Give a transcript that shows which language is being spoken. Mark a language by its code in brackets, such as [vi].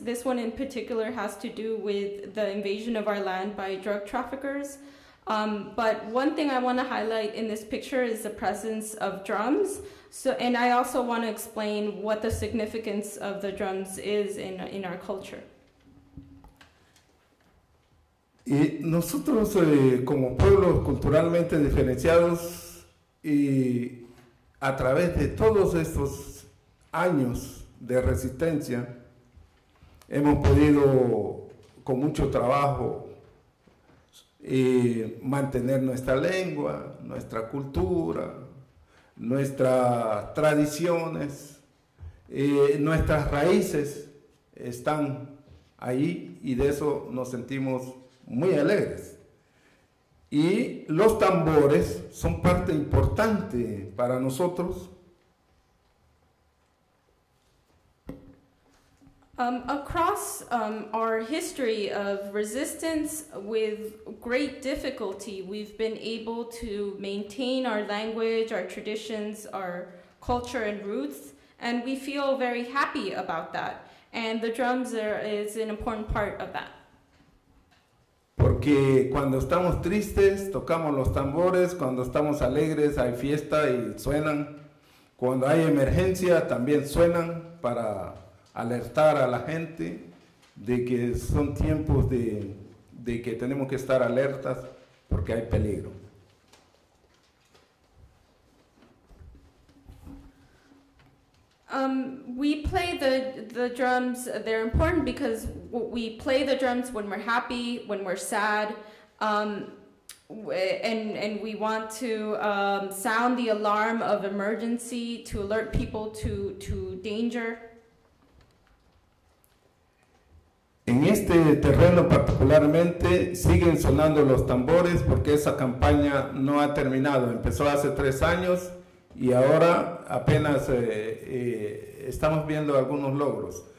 [en] This one in particular has to do with the invasion of our land by drug traffickers. But one thing I want to highlight in this picture is the presence of drums. So, and I also want to explain what the significance of the drums is in our culture. [es] Y nosotros, como pueblos culturalmente diferenciados, y a través de todos estos años de resistencia, hemos podido, con mucho trabajo, mantener nuestra lengua, nuestra cultura, nuestras tradiciones, nuestras raíces están ahí, y de eso nos sentimos muy alegres. Y los tambores son parte importante para nosotros. [en] Across our history of resistance, with great difficulty, we've been able to maintain our language, our traditions, our culture and roots, and we feel very happy about that. And the drums is an important part of that. [es] Porque cuando estamos tristes, tocamos los tambores. Cuando estamos alegres, hay fiesta y suenan. Cuando hay emergencia, también suenan para alertar a la gente de que son tiempos de que tenemos que estar alertas porque hay peligro. [en] We play the drums. They're important because we play the drums when we're happy, when we're sad, and we want to sound the alarm of emergency to alert people to danger. [es] En este terreno particularmente siguen sonando los tambores porque esa campaña no ha terminado. Empezó hace 3 años. Y ahora apenas estamos viendo algunos logros.